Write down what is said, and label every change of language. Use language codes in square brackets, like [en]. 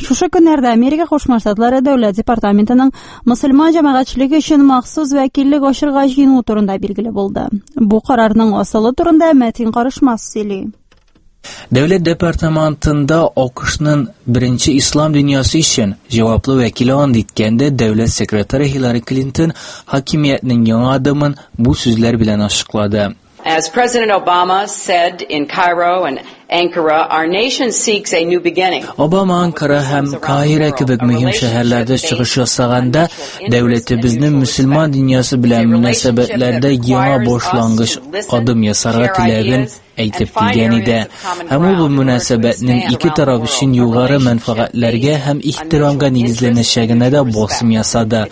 [tt] Шушы көннәрдә Америка Кушма Штатлары Дәүләт департаментының мусульман җәмәгатьчелеге өчен махсус вәкиллек ачырга җыену турында билгеле булды. Бу карарның асылы турында Мәтин Карышмас сөйли. Дәүләт департаментында ОКШның беренче ислам дөньясы өчен җаваплы вәкиле ан иткәндә дәүләт секретары Хиллари Клинтон хакимиятнең яңа адымын бу сүзләр белән ачыклады. [en] As President Obama said in Cairo and Ankara, our nation seeks a new beginning. [tt] Obama Ankara һәм Каира кебек мөһим шәһәрләрдә чыгыш ясаганда, дәүләтебезнең мусламан дөньясы белән мөнәсәбәтләрдә яңа башлангыч адым ясарга теләген әйтеп килгән иде. Һәм бу мөнәсәбәтнең ике тараф өчен югары мәнфәгатьләргә һәм ихтирамга нигезләнәчәгенә дә басым ясады.